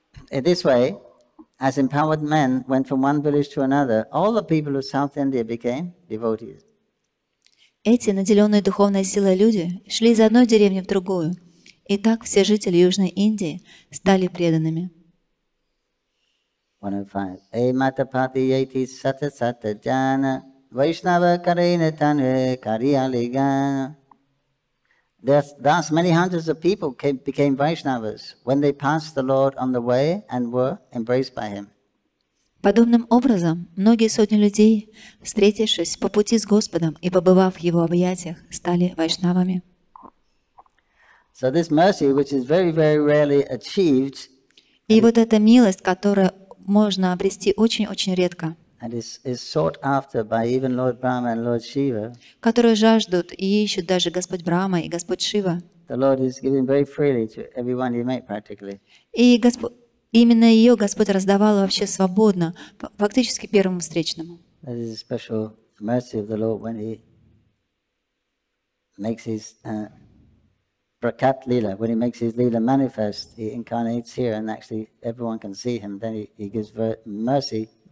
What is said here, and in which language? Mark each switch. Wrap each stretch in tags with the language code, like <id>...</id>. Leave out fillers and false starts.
<en>In this way, as empowered men went from one village to another, all the people of South India became devotees.</en> <ru>Эти наделенные духовной силой люди шли из одной деревни в другую, и так все жители Южной Индии стали преданными. 105. Эй матапати яйти сата сата джана вайшнава карейна танве кариалигана.</ru> <en>Thus, many hundreds of people became Vaishnavas when they passed the Lord on the way and were embraced by Him.</en> <ru>Подобным образом, многие сотни людей, встретившись по пути с Господом и побывав в Его объятиях, стали вайшнавами.</ru> <en>So this mercy, which is very, very rarely achieved,</en> <ru>и вот эта милость, которую можно обрести очень-очень редко,</ru> <en>and is sought after by even Lord Brahma and Lord Shiva.</en> <ru>Которые жаждут и ищут даже Господь Брама и Господь Шива.</ru> <en>The Lord is giving very freely to everyone he met practically.</en> <ru>И именно ее Господь раздавал вообще свободно, фактически первому встречному.</ru> <en>That is a special mercy of the Lord when he makes his prakat lila, when he makes his lila manifest, he incarnates here and actually everyone can see him, then he gives mercy.</en>